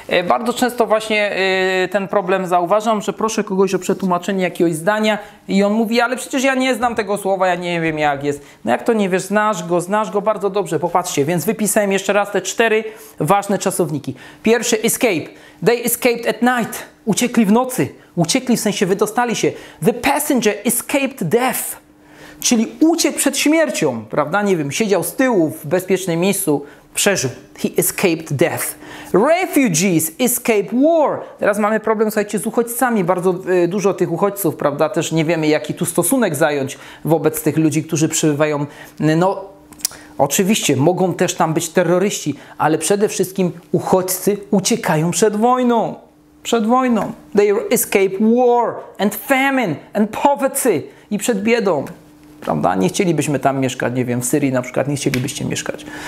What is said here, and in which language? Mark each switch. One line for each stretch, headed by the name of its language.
Polish: Bardzo często właśnie ten problem zauważam, że proszę kogoś o przetłumaczenie jakiegoś zdania i on mówi, ale przecież ja nie znam tego słowa, ja nie wiem jak jest. No jak to nie wiesz, znasz go bardzo dobrze. Popatrzcie, więc wypisałem jeszcze raz te cztery ważne czasowniki. Pierwszy, escape.
English: They escaped at night.
Polish: Uciekli w nocy. Uciekli, w sensie wydostali się.
English: The passenger escaped death.
Polish: Czyli uciekł przed śmiercią, prawda? Nie wiem, siedział z tyłu w bezpiecznym miejscu, przeżył.
English: He escaped death. Refugees escape war.
Polish: Teraz mamy problem, słuchajcie, z uchodźcami. Bardzo dużo tych uchodźców, prawda? Też nie wiemy, jaki tu stosunek zająć wobec tych ludzi, którzy przybywają. No, oczywiście, mogą też tam być terroryści, ale przede wszystkim uchodźcy uciekają przed wojną. Przed wojną.
English: They escape war and famine and poverty.
Polish: I przed biedą. Prawda? Nie chcielibyśmy tam mieszkać, nie wiem, w Syrii na przykład, nie chcielibyście mieszkać.